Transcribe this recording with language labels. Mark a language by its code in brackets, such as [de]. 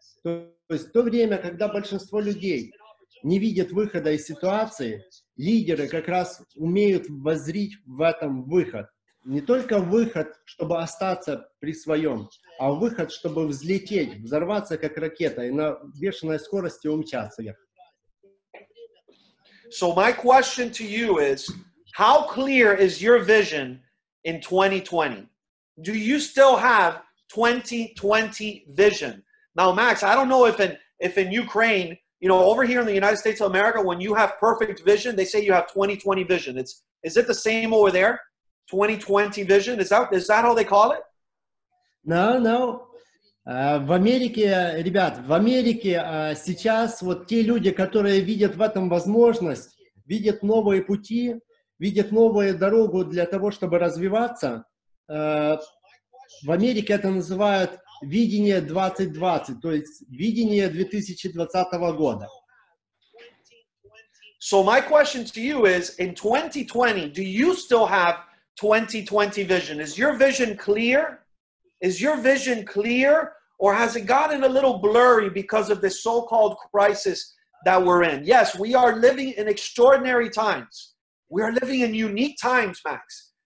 [ru] То есть в то время, когда большинство людей не видят выхода из ситуации, лидеры как раз умеют воззрить в этом выход. Не только выход, чтобы остаться при своем, а выход, чтобы взлететь, взорваться как ракета и на бешеной скорости умчаться вверх. [en] So my question to you is, how clear is your vision in 2020? Do you still have 2020 vision? Now, Max, I don't know if in Ukraine, you know, over here in the United States of America, when you have perfect vision, they say you have 2020 vision. Is it the same over there? 2020 vision, is that how they call it? No. [ru] В Америке, ребят, в Америке сейчас вот те люди, которые видят в этом возможность, видят новые пути, видят новую дорогу для того, чтобы развиваться, в Америке это называют видение 2020, то есть видение 2020 года. [en] So my question to you is, in 2020, do you still have 2020 vision? Is your vision clear? Is your vision clear? Or has it gotten a little blurry because of this so-called crisis that we're in? Yes, we are living in extraordinary times. We are living in unique times, Max.